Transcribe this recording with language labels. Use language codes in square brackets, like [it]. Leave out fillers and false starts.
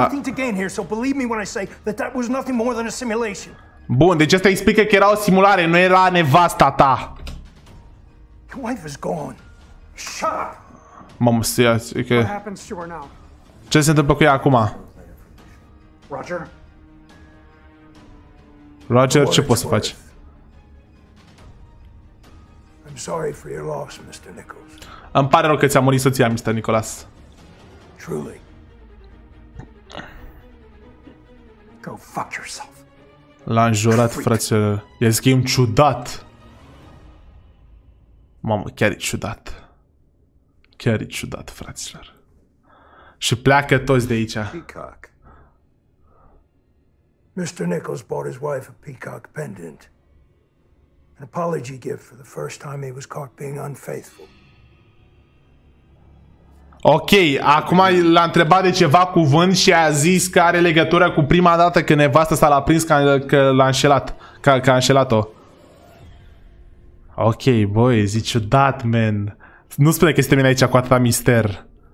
[en] Nothing to gain here, so believe me when I say that that was nothing more than a simulation. [ro] Bun, deci asta explică că era o simulare, nu era nevasta ta. [en] Your wife is gone. Shut up. [ro] Mamă, stia, că... Ce se întâmplă cu ea acum? Roger? Roger, ce poți să faci? [en] I'm sorry for your loss, Mr. Nichols. [ro] Îmi pare rău că ți-a murit soția, Mr. Nicholas. [en] Truly. Go fuck yourself. [ro] L-a înjurat, fraților. I-a zis că e un ciudat. Mamă, chiar e ciudat. Chiar e ciudat, fraților. Și pleacă toți de aici. [en] Peacock. Mr. Nichols bought his wife a peacock pendant. An apology gift for the first time he was caught being unfaithful. [ro] Ok, acum l-a întrebat de ceva cuvânt și a zis că are legătură cu prima dată când nevastă s-a prins că l-a înșelat, că a înșelat-o. Ok, boy, zici ciudat, man. Nu spune că suntem aici cu atâta mister.